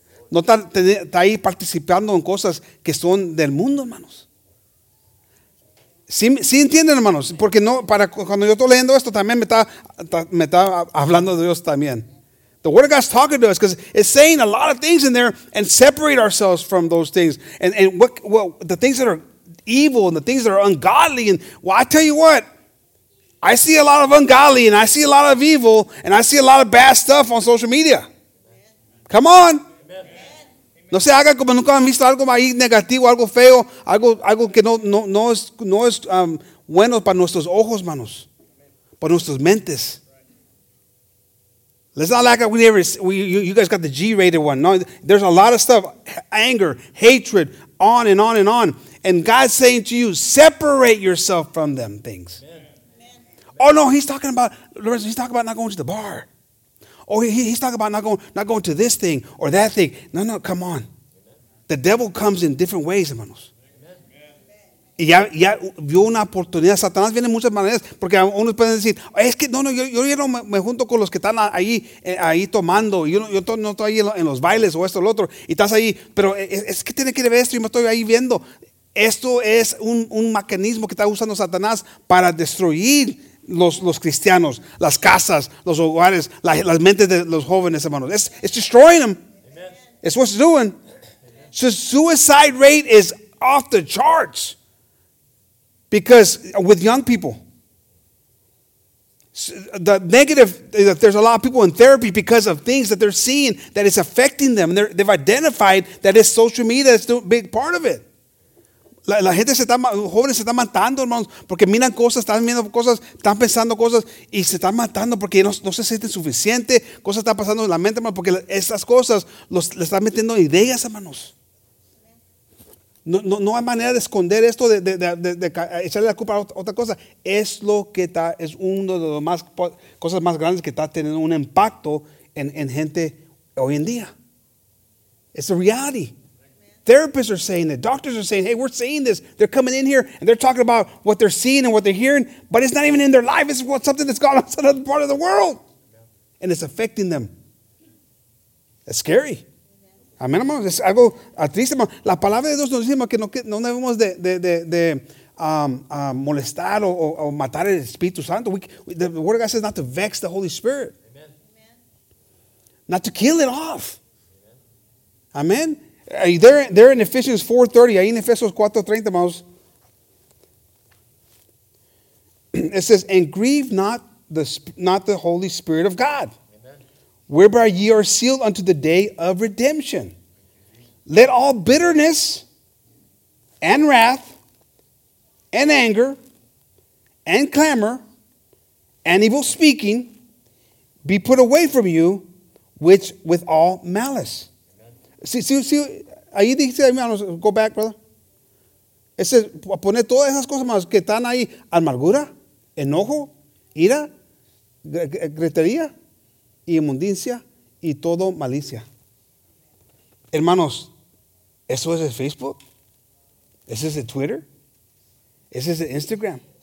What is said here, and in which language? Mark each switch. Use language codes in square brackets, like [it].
[es] No está ahí participando en cosas que son del mundo, hermanos. Sí entienden, hermanos, porque no, para cuando yo estoy leyendo esto también me está hablando de Dios también. [en] The word of God's talking to us because it's saying a lot of things in there and separate ourselves from those things and what the things that are evil and the things that are ungodly. And well, I tell you what, I see a lot of ungodly and I see a lot of evil and I see a lot of bad stuff on social media. Come on. [es] No se haga como nunca han visto algo ahí negativo, algo feo, algo que no es bueno para nuestros ojos, manos, para nuestras mentes. [en] Let's not like we never. You guys got the G-rated one. No, there's a lot of stuff, anger, hatred, on and on and on. And God's saying to you, separate yourself from them things. Amen. Oh no, he's talking about. He's talking about not going to the bar. Oh, he's talking about not going to this thing or that thing. No, come on. The devil comes in different ways, hermanos. [es] Y ya, ya vio una oportunidad. Satanás viene de muchas maneras, porque unos pueden decir, es que no, no, yo ya no me junto con los que están ahí, ahí tomando, yo no estoy ahí en los bailes o esto o lo otro, y estás ahí, pero es que tiene que ver esto y me estoy ahí viendo. Esto es un mecanismo que está usando Satanás para destruir los cristianos, las casas, los hogares, las mentes de los jóvenes, hermanos. [en] It's destroying them. Amen. It's what it's doing. So suicide rate is off the charts. Because with young people, the negative, that there's a lot of people in therapy because of things that they're seeing that is affecting them. They've identified that it's social media that's a big part of it. [es] La gente se está, jóvenes se están matando, hermanos, porque miran cosas, están viendo cosas, están pensando cosas y se están matando porque no se sienten suficiente. Cosas están pasando en la mente, hermanos, porque esas cosas le están metiendo ideas, hermanos. No hay manera de esconder esto, de echarle la culpa a otra cosa. Es lo que está, es una de las más, cosas más grandes que está teniendo un impacto en gente hoy en día. [en] It's a reality. Therapists are saying it. Doctors are saying, hey, we're seeing this. They're coming in here and they're talking about what they're seeing and what they're hearing, but it's not even in their life. It's something that's gone on to another part of the world. And it's affecting them. It's scary. [es] Amén, hermano. Es algo triste, hermano. La palabra de Dios nos dice que no debemos molestar o matar el Espíritu Santo. [en] The Word of God says not to vex the Holy Spirit. Amen. Not to kill it off. Amén. They're in Ephesians 4:30. [es] Ahí en Efesios 4:30, hermanos. [en] It says, and grieve not the Holy Spirit of God. Whereby ye are sealed unto the day of redemption. Let all bitterness and wrath and anger and clamor and evil speaking be put away from you, which with all malice. See, [es] ahí dice, hermanos, [en] go back, brother. [es] Es decir, poner todas esas cosas más que están ahí, amargura, enojo, ira, gritería, y inmundicia y todo malicia. Hermanos, ¿eso es el Facebook? ¿Eso es el Twitter? ¿Eso es el Instagram?